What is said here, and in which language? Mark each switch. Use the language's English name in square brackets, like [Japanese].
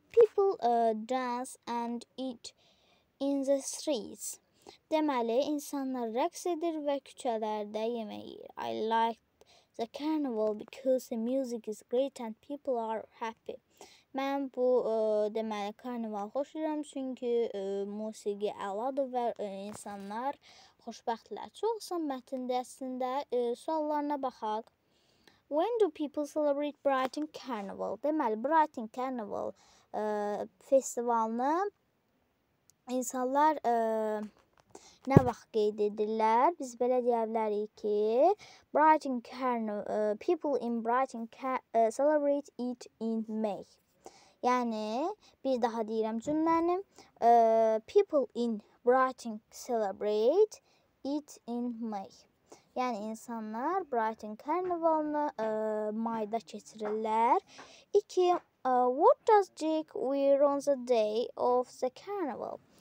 [English] People dance and eat in the streets. [Azerbaijani] Deməli, insanlar rəqs edir və küçələrdə yemək yiyir. [English] I like the carnival because the music is great and people are happy. [Azerbaijani] Mən bu, deməli, karnival xoşlayıram, çünki musiqi əladır və insanlar xoşbəxtlər. Çox qısan mətində əslində suallarına baxaq. [English] When do people celebrate Brighton Carnival? [Azerbaijani] Deməli, Brighton Carnival festivalını insanlar nə vaxt qeyd edirlər? Biz belə deyə bilərik ki, [English] Brighton Carnival, people in Brighton celebrate it in May. [Azerbaijani] Yəni, bir daha deyirəm cümləni. [English] People in Brighton celebrate it in May. [Azerbaijani] Yəni, insanlar Brighton Carnival'ını mayda keçirirlər. 2. [English] What does Jake wear on the day of the carnival?